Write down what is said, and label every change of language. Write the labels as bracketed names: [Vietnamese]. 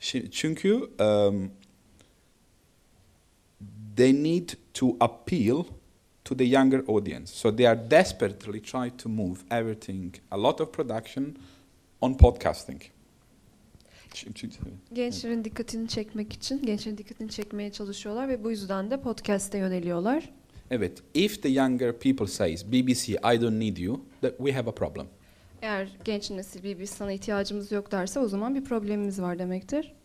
[Turkish] Çünkü [English] they need to appeal to the younger audience, so they are desperately trying to move everything, a lot of production, on podcasting. [Turkish] Gençlerin dikkatini çekmek için, gençlerin dikkatini çekmeye çalışıyorlar ve bu yüzden de podcast'e yöneliyorlar. Evet, [English] if the younger people says BBC I don't need you, that we have a problem. [Turkish] Eğer genç nesil BBC sana ihtiyacımız yok derse, o zaman bir problemimiz var demektir.